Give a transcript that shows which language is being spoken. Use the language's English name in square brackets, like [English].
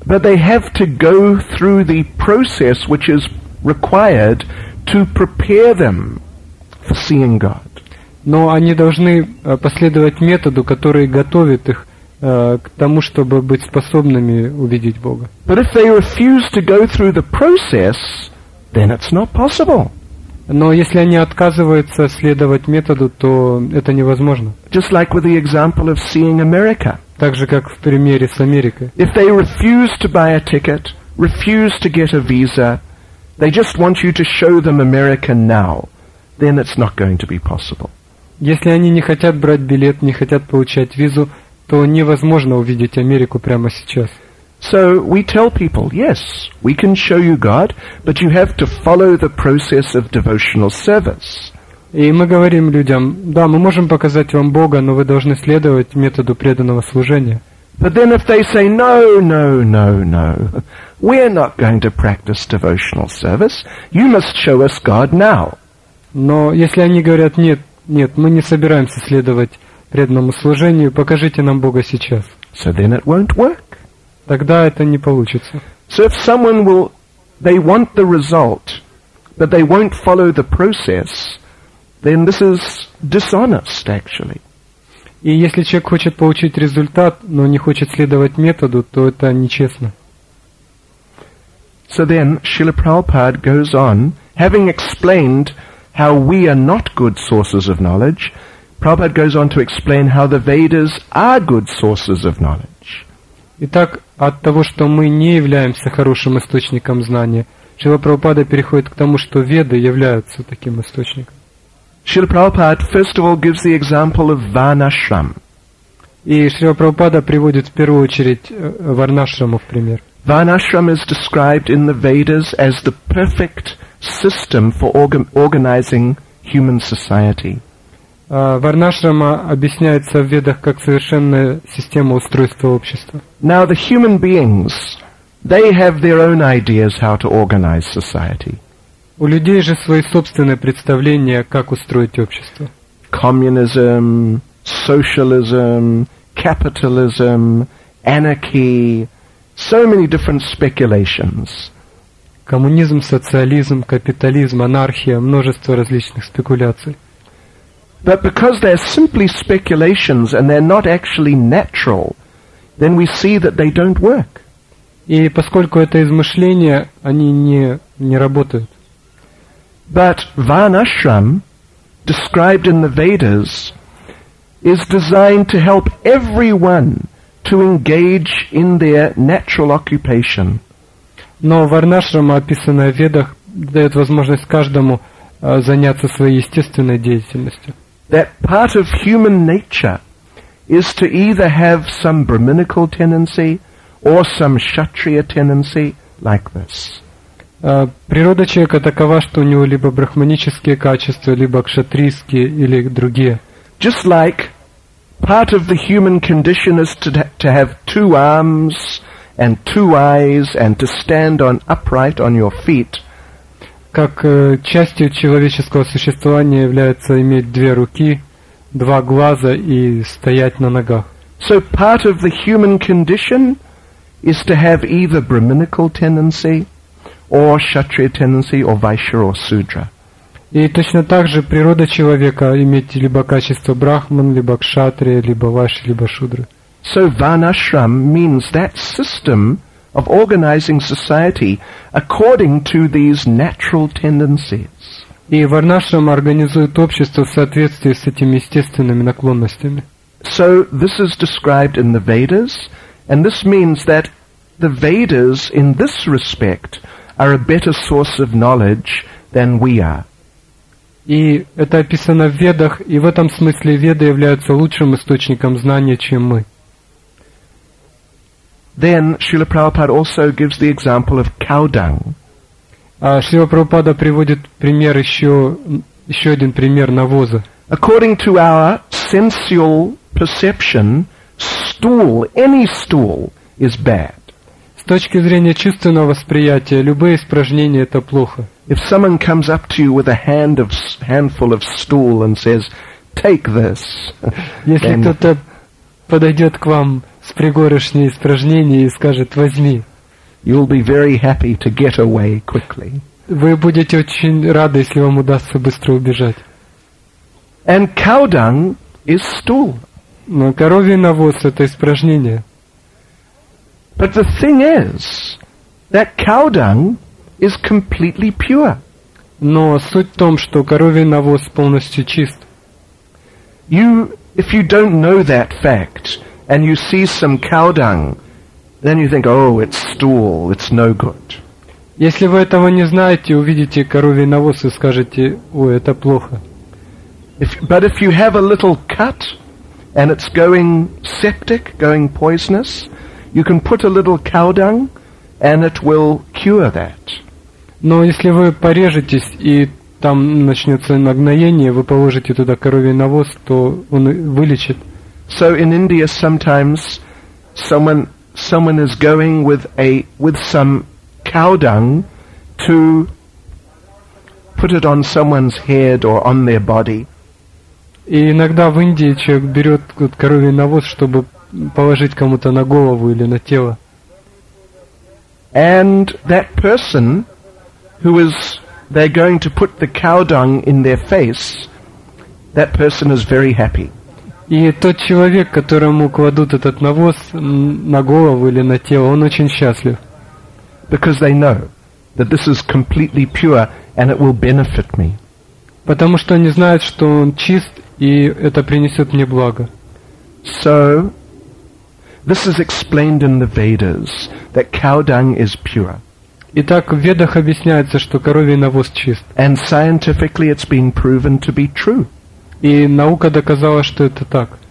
[English] But they have to go through the process which is required to prepare them for seeing God. [Russian] Но они должны последовать методу, который готовит их к тому, чтобы быть способными увидеть Бога. [English] But if they refuse to go through the process, then it's not possible. [Russian] Но если они отказываются следовать методу, то это невозможно. [English] Just like with the example of seeing America. [Russian] Так же, как в примере с Америкой. [English] If they refuse to buy a ticket, refuse to get a visa, they just want you to show them America now, then it's not going to be possible. [Russian] Если они не хотят брать билет, не хотят получать визу, то невозможно увидеть Америку прямо сейчас. [English] So we tell people, yes, we can show you God, but you have to follow the process of devotional service. [Russian] И мы говорим людям, да, мы можем показать вам Бога, но вы должны следовать методу преданного служения. [English] But then if they say, no, no, no, no, we're not going to practice devotional service, you must show us God now. [Russian] Но если они говорят, нет, нет, мы не собираемся следовать преданному служению. Покажите нам Бога сейчас. [English] So then it won't work. [Russian] Тогда это не получится. [English] So if someone will, they want the result, but they won't follow the process, then this is dishonest, actually. [Russian] И если человек хочет получить результат, но не хочет следовать методу, то это нечестно. [English] So then Srila Prabhupada goes on, having explained how we are not good sources of knowledge, Prabhupada goes on to explain how the Vedas are good sources of knowledge. [Russian] Итак, от того, что мы не являемся хорошим источником знания, Шрила Прабхупада переходит к тому, что Веды являются таким источником. [English] Шрила Прабхупада, first of all, gives the example of Varnashram. [Russian] И Шрила Прабхупада приводит в первую очередь Варнашраму в пример. [English] Varnashram is described in the Vedas as the perfect system for organizing human society. [Russian] Варнашрама объясняется в Ведах как совершенная система устройства общества. [English] Now the human beings, they have their own ideas how to organize society. [Russian] У людей же свои собственные представления, как устроить общество. [English] Communism, socialism, capitalism, anarchy, so many different speculations. [Russian] Коммунизм, социализм, капитализм, анархия, множество различных спекуляций. [English] But because they're simply speculations and they're not actually natural, then we see that they don't work. [Russian] И поскольку это измышления, они не работают. [English] But Varnashram, described in the Vedas, is designed to help everyone to engage in their natural occupation. [Russian] Но Варнашрама, описанная в Ведах, дает возможность каждому заняться своей естественной деятельностью. [English] That part of human nature is to either have some brahminical tendency or some kshatriya tendency like this. [Russian] Природа человека такова, что у него либо брахманические качества, либо кшатрийские или другие. [English] Just like part of the human condition is to have two arms and two eyes and to stand on upright on your feet. [Russian] Как частью человеческого существования является иметь две руки, два глаза и стоять на ногах. [English] So part of the human condition is to have either brahminical tendency or kshatriya tendency or vaishya or sudra. [Russian] И точно так же природа человека иметь либо качество брахман, либо кшатрия, либо вайши, либо шудры. [English] So vanashram means that system of organizing society according to these natural tendencies. [Russian] И варнашрам организует общество в соответствии с этими естественными наклонностями. [English] So this is described in the Vedas, and this means that the Vedas in this respect are a better source of knowledge than we are. [Russian] И это описано в Ведах, и в этом смысле Веды являются лучшим источником знания, чем мы. [English] Then Srila Prabhupada also gives the example of cow dung. [Russian] Srila Prabhupada приводит пример еще один пример навоза. [English] According to our sensual perception, stool, any stool is bad. [Russian] С точки зрения чувственного восприятия, любые испражнения это плохо. [English] If someone comes up to you with a handful of stool and says, "Take this," [Russian] если кто-то подойдет к вам с пригоршней испражнений и скажет, возьми, [English] you'll be very happy to get away quickly. [Russian] Вы будете очень рады, если вам удастся быстро убежать. [English] And cow dung is stool. [Russian] Но коровий навоз это испражнение. [English] But the thing is that cow dung is completely pure. [Russian] Но суть в том, что коровий навоз полностью чист. [English] You, if you don't know that fact, and you see some cow dung, then you think, oh, it's stool, it's no good. [Russian] Если вы этого не знаете, увидите коровий навоз и скажете, ой, это плохо. [English] But if you have a little cut, and it's going septic, going poisonous, you can put a little cow dung, and it will cure that. [Russian] Но если вы порежетесь, и там начнется нагноение, вы положите туда коровий навоз, то он вылечит. [English] So in India sometimes someone is going with some cow dung to put it on someone's head or on their body. [Russian] И иногда в Индии человек берет коровий навоз, чтобы положить кому-то на голову или на тело. [English] And that person who is they're going to put the cow dung in their face, that person is very happy. [Russian] И тот человек, которому кладут этот навоз на голову или на тело, он очень счастлив. [English] Because they know that this is completely pure and it will benefit me. [Russian] Потому что они знают, что он чист и это принесет мне благо. [English] So this is explained in the Vedas that cow dung is pure. [Russian] Итак, в Ведах объясняется, что коровий навоз чист. [English] And scientifically it's been proven to be true. [Russian] И наука доказала, что это так.